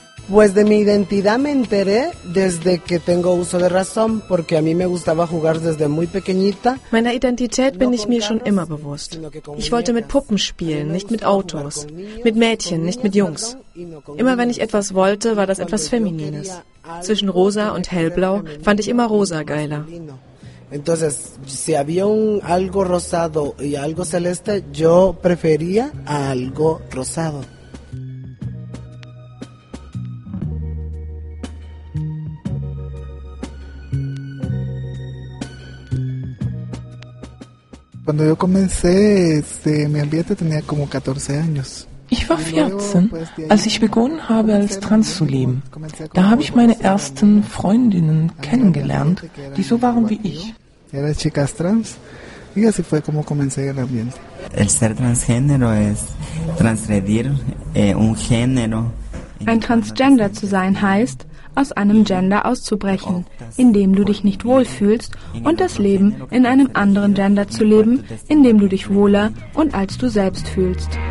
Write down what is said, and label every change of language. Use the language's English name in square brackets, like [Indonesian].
[Spanish] Pues de mi identidad me enteré desde que tengo uso de razón, porque a mí me gustaba jugar desde muy pequeñita. [German] Meiner Identität bin ich mir schon immer bewusst. Ich wollte mit Puppen spielen, nicht mit Autos. Mit Mädchen, nicht mit Jungs. Immer wenn ich etwas wollte, war das etwas Feminines. Zwischen rosa und hellblau fand ich immer rosa geiler. [Spanish] Entonces, si había un algo rosado y algo celeste, yo prefería algo rosado. Cuando yo comencé, mi ambiente tenía como 14 años. [German] Ich war 14, als ich begonnen habe, als Trans zu leben. Da habe ich meine ersten Freundinnen kennengelernt, die so waren wie ich. [Spanish] Era chicas trans. Y así fue como comencé el ambiente. El ser transgénero es transgredir un género. [German] Ein Transgender zu sein heißt, aus einem Gender auszubrechen, indem du dich nicht wohlfühlst und das Leben in einem anderen Gender zu leben, in dem du dich wohler und als du selbst fühlst.